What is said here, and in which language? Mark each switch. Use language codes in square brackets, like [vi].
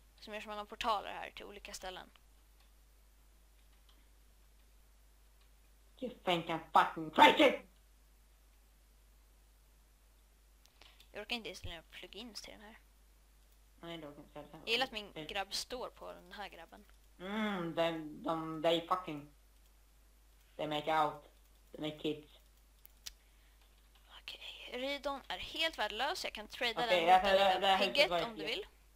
[sv] Som gör så många portaler här till olika ställen. [en] You think I'm fucking crazy? [sv] Jag orkar inte ens lämna plugins till den här. Nej, det orkar inte. Jag gillar att min grabb står på den här grabben. [en] Mm, they fucking... They make out. They make kids. [sv] Okej, Rydon är helt värdelös. Jag kan trada den mot en liten pigget om du vill.